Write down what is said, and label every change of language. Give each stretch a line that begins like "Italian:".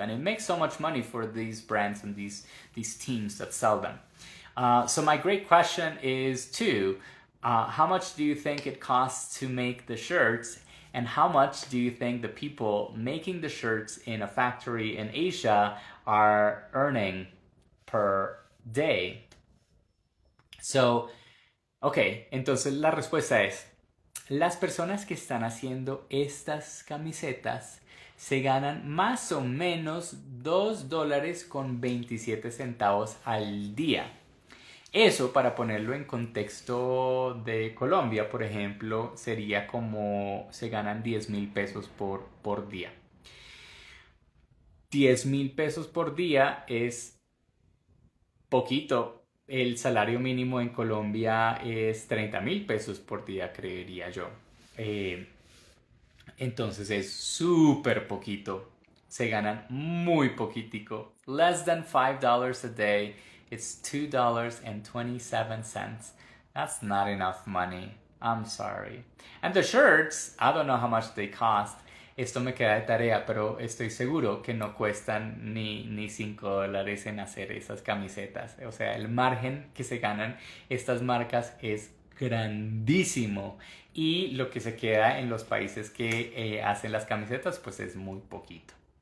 English: And it makes so much money for these brands and these teams that sell them. So my great question is, How much do you think it costs to make the shirts? And how much do you think the people making the shirts in a factory in Asia are earning per day? So, okay,
Spanish: entonces la respuesta es, las personas que están haciendo estas camisetas se ganan más o menos $2.27 al día. Eso, para ponerlo en contexto de Colombia, por ejemplo, sería como se ganan 10 mil pesos por día. 10 mil pesos por día es poquito. El salario mínimo en Colombia es 30 mil pesos por día, creería yo. Entonces es súper poquito. Se ganan muy poquitico.
English: Less than $5 a day. It's $2.27. That's not enough money. I'm sorry. And the shirts, I don't know how much they cost.
Spanish: Esto me queda de tarea, pero estoy seguro que no cuestan ni $5 en hacer esas camisetas. O sea, el margen que se ganan estas marcas es grandísimo. Y lo que se queda en los países que hacen las camisetas, pues es muy poquito.